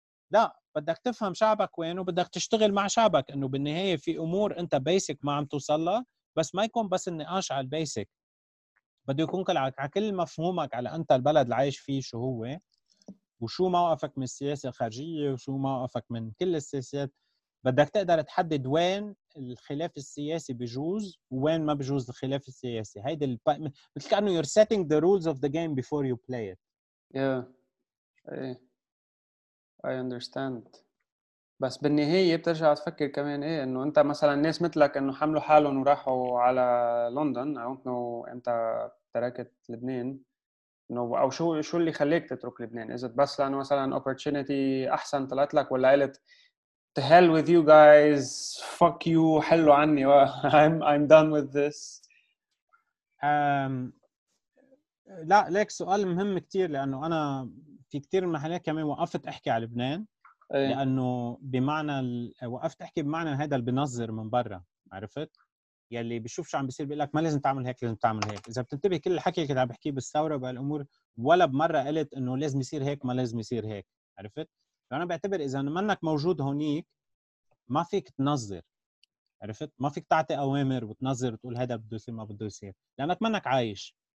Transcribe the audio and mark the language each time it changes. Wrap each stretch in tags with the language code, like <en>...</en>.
<ar>لا، بدك تفهم شعبك وين وبدك تشتغل مع شعبك، انه بالنهاية في امور انت basic ما عم توصلها، بس ما يكون بس النقاش على البيسك، بده يكون على كل مفهومك على انت البلد اللي عايش فيه شو هو وشو موقفك من السياسة الخارجية وشو موقفك من كل السياسات. بدك تقدر تحدد وين الخلاف السياسي بجوز وين ما بجوز الخلاف السياسي. هيدا مثل كأنه</ar> <en>you're setting the rules of the game before you play it. Yeah. I understand.</en> <ar>بس بالنهاية بترجع تفكر كمان ايه انه انت مثلا ناس مثلك انه حملوا حالهم وراحوا على لندن،</ar> <en>I don't know</en> <ar>انت تركت لبنان او شو اللي خليك تترك لبنان.</ar> <en>Is it</en> <ar>بس لانه مثلا</ar> <en>opportunity</en> <ar>احسن طلعت لك، ولا قالت</ar> <en>to hell with you guys, fuck you,</en> <ar>حلوا عني،</ar> <en>I'm done with this.</en> <ar>لا ليك، سؤال مهم كتير، لانه انا في كتير محلات كمان وقفت احكي على لبنان. أيه. لانه بمعنى وقفت احكي بمعنى هذا اللي بنظر من برا، عرفت؟ يلي بشوف شو عم بيصير بيقول لك ما لازم تعمل هيك، لازم تعمل هيك. اذا بتنتبه كل الحكي اللي كنت عم بحكيه بالثوره وبالامور، ولا بمره قلت انه لازم يصير هيك ما لازم يصير هيك، عرفت؟ فانا بعتبر اذا منك موجود هونيك ما فيك تنظر، عرفت؟ ما فيك تعطي اوامر وتنظر وتقول هذا بده يصير ما بده يصير، لانك منك عايش.</ar>